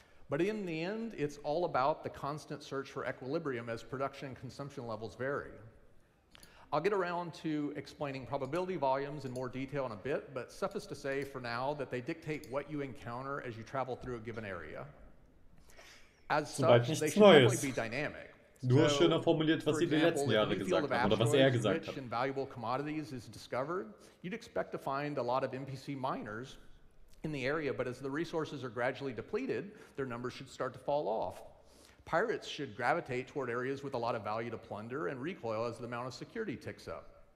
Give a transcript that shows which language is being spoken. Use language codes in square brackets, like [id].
[en] But in the end, it's all about the constant search for equilibrium as production and consumption levels vary. I'll get around to explaining probability volumes in more detail in a bit, but suffice to say for now that they dictate what you encounter as you travel through a given area. As such, they should definitely be dynamic. [de] Nur schöner formuliert, was sie die letzten Jahre gesagt haben, oder was er gesagt hat. [en] In valuable commodities is discovered, you'd expect to find a lot of NPC miners in the area, but as the resources are gradually depleted, their numbers should start to fall off. Pirates should gravitate toward areas with a lot of value to plunder and recoil as the amount of security ticks up.